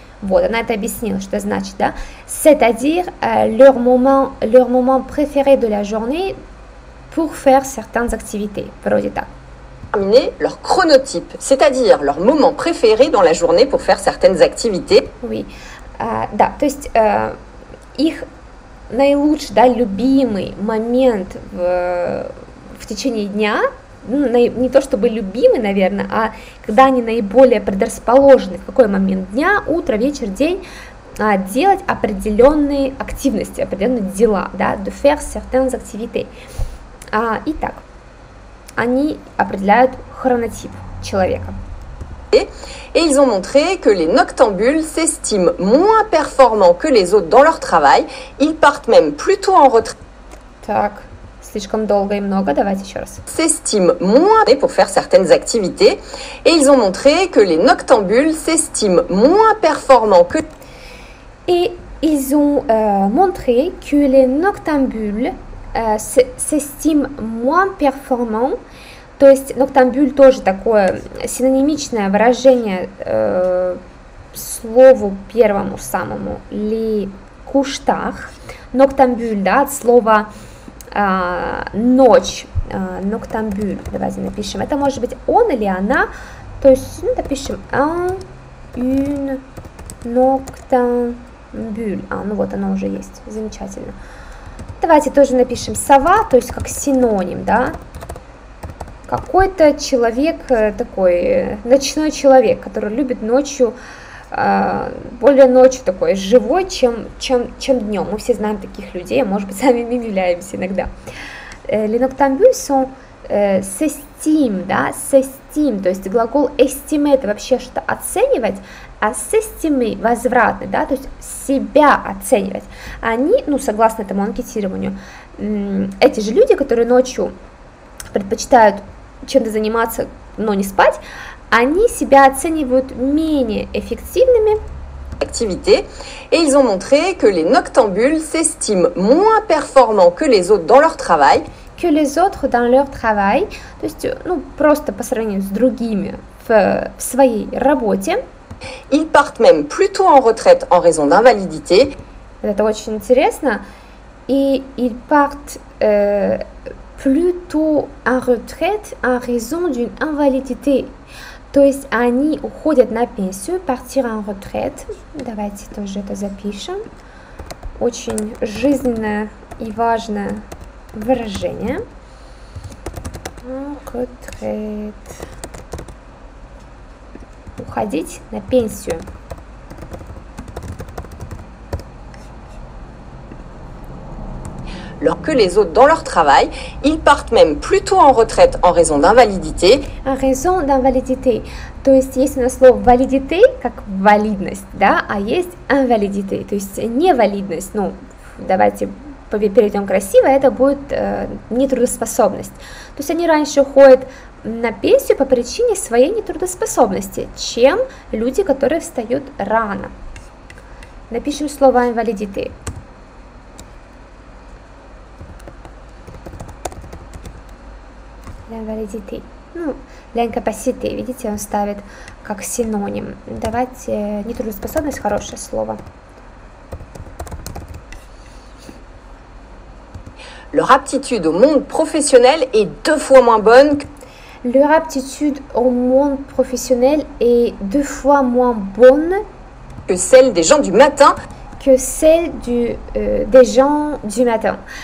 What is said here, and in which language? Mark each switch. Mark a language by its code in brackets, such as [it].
[ru] Вот, она это объяснила, что значит, да? [fr] C'est-à-dire leur moment préféré de la journée pour faire certaines activités. [ru] Вроде так. [fr] Déterminer leur chronotype, c'est-à-dire leur moment préféré dans la journée pour faire certaines activités. [ru] Oui, да, то есть их наилучший, да, любимый момент в течение дня, не то чтобы любимый, наверное, а когда они наиболее предрасположены, в какой момент дня, утро, вечер, день, делать определенные активности, определенные дела, да, [fr] de faire certaines activités. [ru] Итак. Они определяют хронотип человека. [fr] Et ils ont montré que les noctambules s'estiment moins performants que les autres dans leur travail. Ils partent même plutôt en retraite. [ru] Так, слишком долго и много. Давайте еще раз. [fr] S'estiment moins pour faire certaines activités. Et ils ont montré que les noctambules s'estiment moins performants que. Et ils ont montré que les noctambules s'estime moins performant, [ru] то есть ноктамбюль тоже такое синонимичное выражение слову первому самому, ли куштах, ноктамбюль, да, от слова ночь, ноктамбюль, давайте напишем, это может быть он или она, то есть, ну, напишем un noctambule, а, ну вот оно уже есть, замечательно. Давайте тоже напишем сова, то есть как синоним, да? Какой-то человек такой, ночной человек, который любит ночью, более ночью такой живой, чем днем. Мы все знаем таких людей, может быть, сами являемся иногда. [fr] Les noctambules sont s'estiment, да? [ru] S'estiment, то есть глагол estimer, это вообще что-то оценивать, а s'estimer, возвратный, да, то есть себя оценивать. Они, ну, согласно этому анкетированию, эти же люди, которые ночью предпочитают чем-то заниматься, но не спать, они себя оценивают менее эффективными. [fr] Activité, et ils ont montré que les noctambules s'estiment moins performants que les autres dans leur travail. Que les autres dans leur travail, [ru] то есть, ну, просто по сравнению с другими в своей работе. [fr] Ils partent même plutôt en retraite en raison d'invalidité. [ru] Это очень интересно. [fr] И ils partent plutôt en retraite en raison d'une invalidité. [ru] То есть они уходят на пенсию, [fr] partir en retraite. [ru] Давайте тоже это запишем. Очень жизненное и важное выражение. [fr] Retraite. [ru] Уходить на пенсию. [fr] Alors que les autres dans leur travail, ils partent même plutôt en retraite en raison d'invalidité. En raison d'invalidité. [ru] То есть есть у нас слово validité, как validность, да, а есть invalidité, то есть невалидность. Ну, давайте перейдем красиво, это будет нетрудоспособность. То есть они раньше уходят на пенсию по причине своей нетрудоспособности, чем люди, которые встают рано. Напишем слово invalidité. [fr] L'invalidité. [ru] Ну, l'incapacité, видите, он ставит как синоним. Давайте, нетрудоспособность, хорошее слово. [fr] Leur aptitude au monde professionnel est deux fois moins bonne que... Leur aptitude au monde professionnel est deux fois moins bonne que celle des gens du matin. Que celle des gens du matin.